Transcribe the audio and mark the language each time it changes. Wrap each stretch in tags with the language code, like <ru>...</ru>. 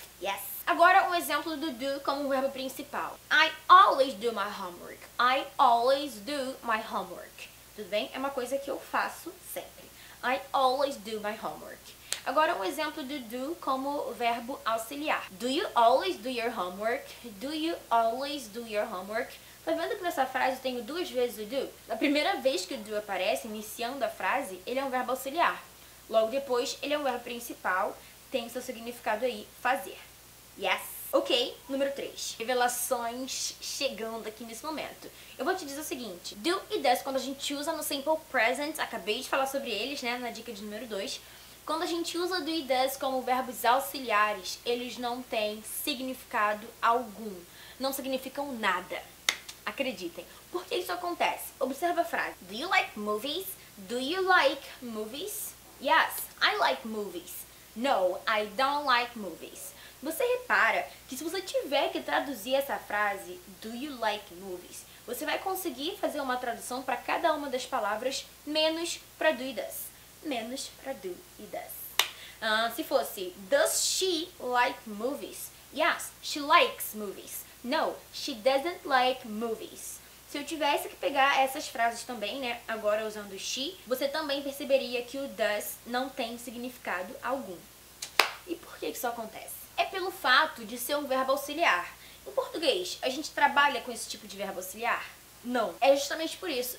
<pt>Yes! Agora, um exemplo do do como verbo principal.</pt> <en>I always do my homework. I always do my homework.</en> <pt>Tudo bem? É uma coisa que eu faço sempre.</pt> <en>I always do my homework.</en> <pt>Agora, um exemplo do do como verbo auxiliar.</pt> <en>Do you always do your homework? Do you always do your homework?</en> <pt>Tá vendo que nessa frase eu tenho 2 vezes o do? Na primeira vez que o do aparece, iniciando a frase, ele é um verbo auxiliar. Logo depois, ele é um verbo principal, tem seu significado aí, fazer. Yes! Ok, número 3. Revelações chegando aqui nesse momento. Eu vou te dizer o seguinte. Do e does, quando a gente usa no simple present, acabei de falar sobre eles, né, na dica de número 2. Quando a gente usa do e does como verbos auxiliares, eles não têm significado algum. Não significam nada. Acreditem. Por que isso acontece? Observa a frase.</pt> <en>Do you like movies? Do you like movies? Yes, I like movies. No, I don't like movies.</en> <pt>Você repara que se você tiver que traduzir essa frase,</pt> <en>do you like movies,</en> <pt>você vai conseguir fazer uma tradução para cada uma das palavras, menos para do e does. Menos para do e does. Se fosse,</pt> <en>does she like movies? Yes, she likes movies. No, she doesn't like movies.</en> <pt>Se eu tivesse que pegar essas frases também, né, agora usando she, você também perceberia que o does não tem significado algum. E por que isso acontece? É pelo fato de ser um verbo auxiliar. Em português, a gente trabalha com esse tipo de verbo auxiliar? Não. É justamente por isso.</pt>